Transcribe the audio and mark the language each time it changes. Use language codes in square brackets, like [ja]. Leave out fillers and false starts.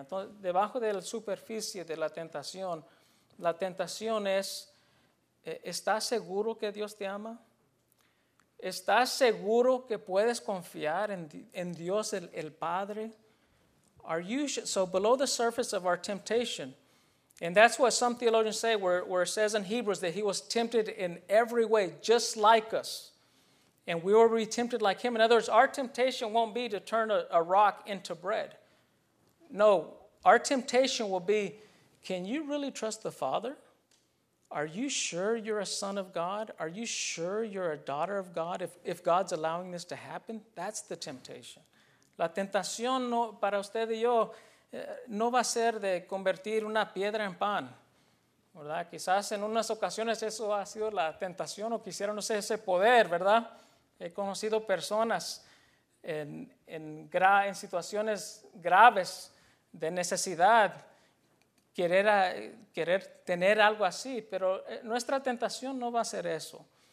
[es] Entonces, debajo de la superficie de la tentación es, ¿estás seguro que Dios te ama? ¿Estás seguro que puedes confiar en Dios el Padre? [en] So below the surface of our temptation, and that's what some theologians say, where it says in Hebrews that he was tempted in every way, just like us. And we will be tempted like him. In other words, our temptation won't be to turn a rock into bread. No, our temptation will be, can you really trust the Father? Are you sure you're a son of God? Are you sure you're a daughter of God? If God's allowing this to happen, that's the temptation. [es] La tentación no, para usted y yo no va a ser de convertir una piedra en pan. ¿Verdad? Quizás en unas ocasiones eso ha sido la tentación o quisiera, no sé, ese poder, ¿verdad? He conocido personas en situaciones graves de necesidad, querer tener algo así, pero nuestra tentación no va a ser eso.